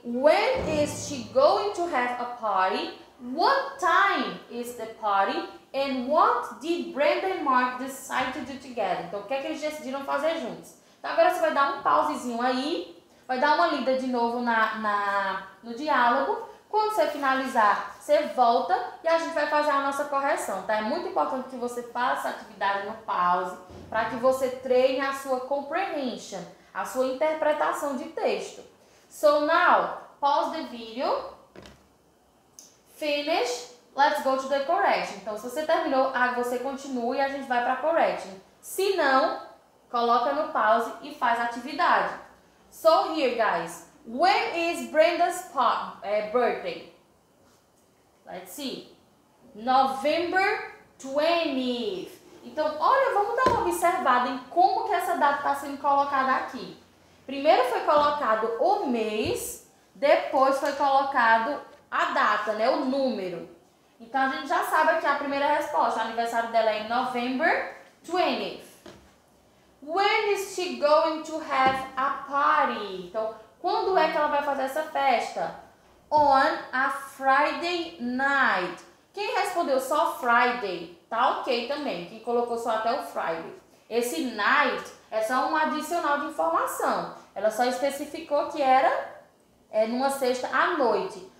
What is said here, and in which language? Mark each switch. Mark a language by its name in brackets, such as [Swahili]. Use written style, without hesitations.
[English] When is she going to have a party? What time is the party? And what did Brenda and Mark decide to do together? [Portuguese] Então, o que é que eles decidiram fazer juntos? Então, agora você vai dar um pausezinho aí. Vai dar uma lida de novo no diálogo. Quando você finalizar, você volta e a gente vai fazer a nossa correção, tá? É muito importante que você faça a atividade no pause para que você treine a sua comprehension, a sua interpretação de texto. [English] So now, pause the video, finish, let's go to the correction. [Portuguese] Então, se você terminou, você continua e a gente vai para a correction. Se não, coloca no pause e faz a atividade. [English] So here, guys. When is Brenda's birthday? Let's see. November 20th. [Portuguese] Então, olha, vamos dar uma observada em como que essa data está sendo colocada aqui. Primeiro foi colocado o mês, depois foi colocado a data, né? O número. Então, a gente já sabe aqui a primeira resposta. O aniversário dela é em [English] November 20th. When is she going to have a party? [Portuguese] Então, quando é que ela vai fazer essa festa? [English] On a Friday night. [Portuguese] Quem respondeu só Friday, tá ok também. Quem colocou só até o Friday. Esse night é só um adicional de informação. Ela só especificou que era numa sexta à noite.